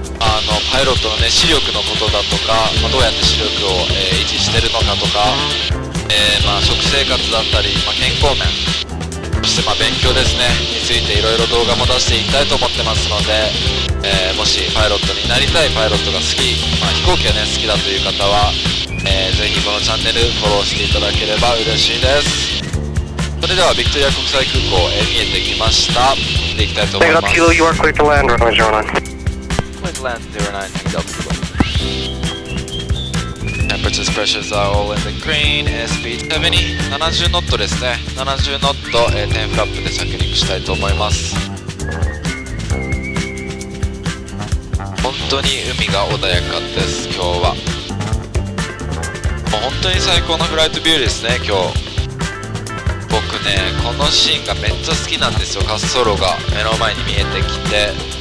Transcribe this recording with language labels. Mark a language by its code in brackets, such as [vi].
[ja] あのパイロットの、ね、視力のことだとか、まあ、どうやって視力を、維持してるのかとか、まあ、食生活だったり、まあ、健康面、そしてまあ勉強ですねについていろいろ動画も出していきたいと思ってますので、もしパイロットになりたい、パイロットが好き、まあ、飛行機が、ね、好きだという方は、ぜひこのチャンネルフォローしていただければ嬉しいです。それではビクトリア国際空港、見えてきました。行っていきたいと思います。 [en] Thank you, you are quick to land, runway 09. Quick land 09, Tango Delta Kilo. Temperatures, pressures are all in the green. Airspeed 70, 70 knot [ja] ですね。 70 knot, 10 flap で着陸したいと思います。本当に海が穏やかです。今日はもう本当に最高のフライトビューですね。今日僕ねこのシーンがめっちゃ好きなんですよ。滑走路が目の前に見えてきて、